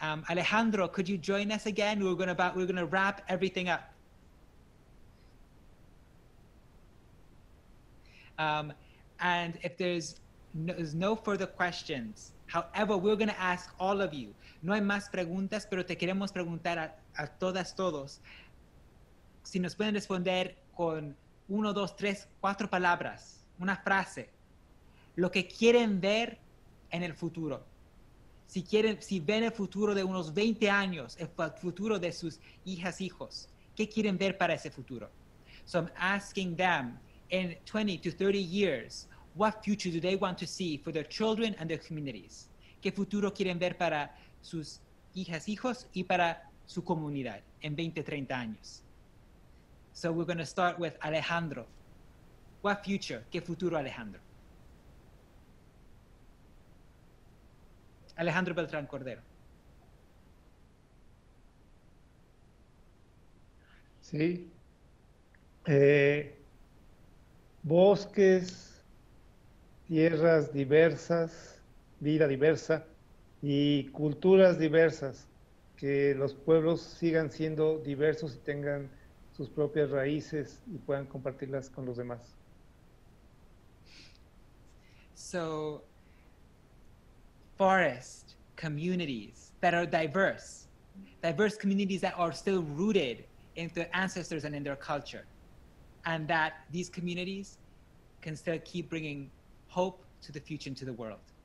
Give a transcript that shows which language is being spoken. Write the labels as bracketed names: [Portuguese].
[English] Alejandro, could you join us again? We're going to wrap everything up. And if there's no further questions, however, we're going to ask all of you. [Spanish] No hay más preguntas, pero te queremos preguntar a todas, todos, si nos pueden responder con uno, dos, tres, cuatro palabras, una frase, lo que quieren ver en el futuro. Si quieren, si ven el futuro de unos 20 años, el futuro de sus hijas, hijos, ¿qué quieren ver para ese futuro? [English] So I'm asking them, in 20 to 30 years, what future do they want to see for their children and their communities? [Spanish] ¿Qué futuro quieren ver para sus hijas, hijos y para su comunidad en 20, 30 años? [English] So we're going to start with Alejandro. What future? [Spanish] ¿Qué futuro, Alejandro? Alejandro Beltrán Cordero. Sí. Bosques, tierras diversas, vida diversa y culturas diversas, que los pueblos sigan siendo diversos y tengan sus propias raíces y puedan compartirlas con los demás. [English] So, forest communities that are diverse communities that are still rooted in their ancestors and in their culture, and that these communities can still keep bringing hope to the future and to the world.